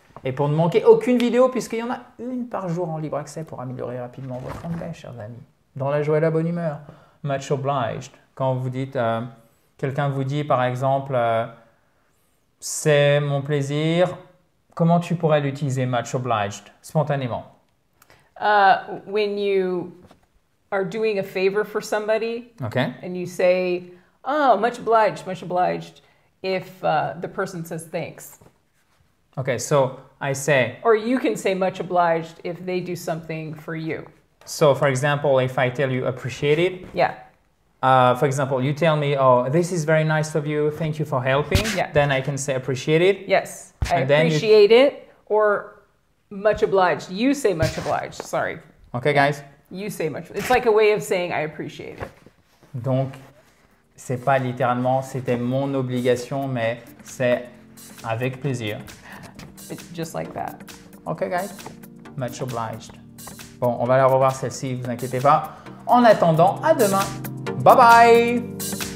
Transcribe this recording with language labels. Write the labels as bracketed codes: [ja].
[fr] Et pour ne manquer aucune vidéo, puisqu'il y en a une par jour en libre accès pour améliorer rapidement votre anglais, chers amis. Dans la joie et la bonne humeur. Much obliged. Quand vous dites, quelqu'un vous dit par exemple, c'est mon plaisir, comment tu pourrais l'utiliser, much obliged, spontanément? [en] When you are doing a favor for somebody, okay, and you say, oh, much obliged, much obliged, if the person says thanks. Okay, so I say... Or you can say much obliged if they do something for you. So, for example, if I tell you appreciate it. Yeah. For example, you tell me, oh, this is very nice of you. Thank you for helping. Yeah. Then I can say appreciate it. Yes. I appreciate it or much obliged. You say much obliged. Sorry. Okay, guys? You say much. It's like a way of saying I appreciate it. [fr] Donc, c'est pas littéralement c'était mon obligation, mais c'est avec plaisir. [en] It's just like that. Okay, guys? Much obliged. [fr] Bon, on va la revoir celle-ci, vous inquiétez pas. En attendant, à demain. Bye bye!